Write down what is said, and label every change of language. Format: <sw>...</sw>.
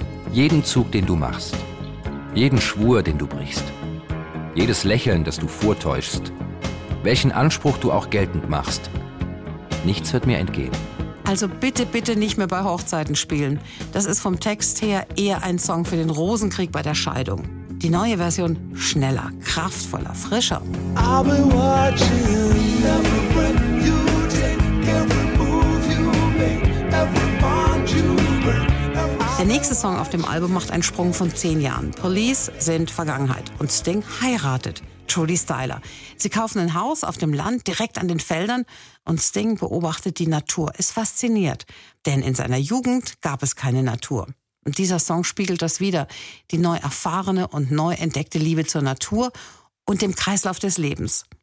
<de>Jeden Zug, den du machst, jeden Schwur, den du brichst, jedes Lächeln, das du vortäuschst, welchen Anspruch du auch geltend machst, nichts wird mir entgehen. Also bitte, bitte nicht mehr bei Hochzeiten spielen. Das ist vom Text her eher ein Song für den Rosenkrieg bei der Scheidung. Die neue Version schneller, kraftvoller, frischer.</de> <en>I'll be watching you, every breath you take, every move you make, every bond you break.</en> <de>Der nächste Song auf dem Album macht einen Sprung von 10 Jahren. Police sind Vergangenheit und Sting heiratet Trudy Styler. Sie kaufen ein Haus auf dem Land, direkt an den Feldern und Sting beobachtet die Natur, ist fasziniert. Denn in seiner Jugend gab es keine Natur. Und dieser Song spiegelt das wieder, die neu erfahrene und neu entdeckte Liebe zur Natur und dem Kreislauf des Lebens.</de>